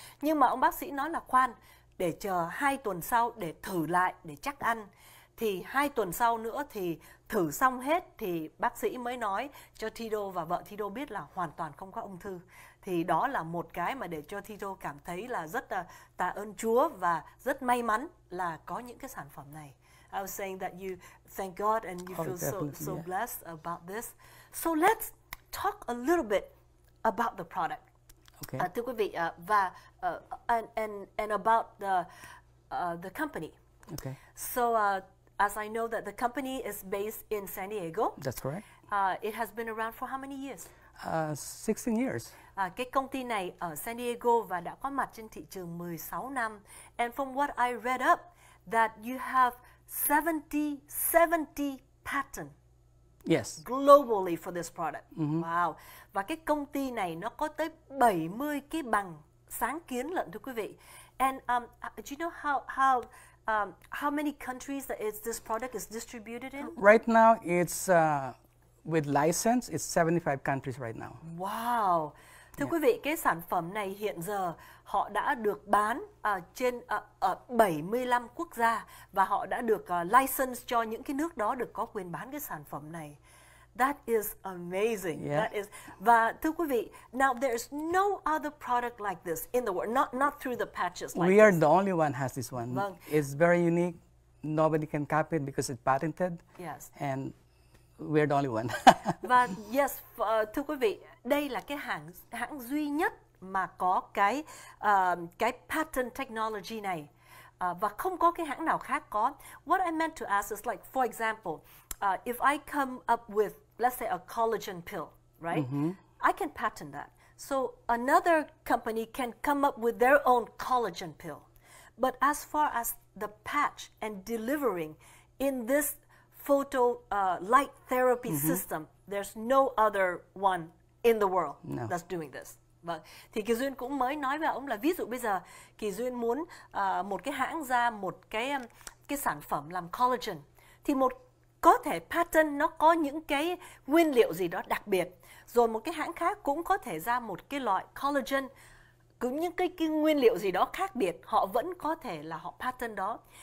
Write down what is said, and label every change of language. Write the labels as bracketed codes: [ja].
[vi] Nhưng mà ông bác sĩ nói là khoan, để chờ 2 tuần sau để thử lại, để chắc ăn. Thì 2 tuần sau nữa thì thử xong hết thì bác sĩ mới nói cho Tito và vợ Tito biết là hoàn toàn không có ung thư. Thì đó là một cái mà để cho Tito cảm thấy là rất là tạ ơn Chúa và rất may mắn là có những cái sản phẩm này. [en] I was saying that you thank God and you feel so blessed about this. So let's talk a little bit about the product. Okay. [vi] Thưa quý vị, và [en] and about the company. Okay. So as I know that the company is based in San Diego. That's correct. It has been around for how many years? 16 years. [vi] Cái công ty này ở San Diego và đã có mặt trên thị trường 16 năm. [en] And from what I read up, that you have 70 patents. Yes. Globally for this product. Mm-hmm. Wow. [vi] Và cái công ty này nó có tới 70 cái bằng sáng kiến lận, thưa quý vị. [en] And do you know how many countries that this product is distributed in? Right now it's with license, it's 75 countries right now. Wow. [vi] Thưa quý vị, cái sản phẩm này hiện giờ họ đã được bán trên ở 75 quốc gia và họ đã được license cho những cái nước đó được có quyền bán cái sản phẩm này. [en] That is amazing. Yeah. That is. [vi] Và thưa quý vị, [en] now there's no other product like this in the world, not through the patches. Like we this. Are the only one has this one. [vi] Vâng. [en] It's very unique. Nobody can copy it because it's patented. Yes. And we're the only one. [vi] Và yes, thưa quý vị, đây là cái hãng duy nhất mà có cái patent technology này, và không có cái hãng nào khác có. [en] What I meant to ask is, like, for example, if I come up with, let's say, a collagen pill, right? Mm-hmm. I can patent that. So another company can come up with their own collagen pill. But as far as the patch and delivering in this photo light therapy mm-hmm. system, there's no other one in the world no. that's doing this. Vâng. [vi] Thì Kỳ Duyên cũng mới nói với ông là ví dụ bây giờ Kỳ Duyên muốn một cái hãng ra một cái sản phẩm làm collagen, thì một có thể patent nó có những cái nguyên liệu gì đó đặc biệt, rồi một cái hãng khác cũng có thể ra một cái loại collagen cũng những cái nguyên liệu gì đó khác biệt, họ vẫn có thể là họ patent đó.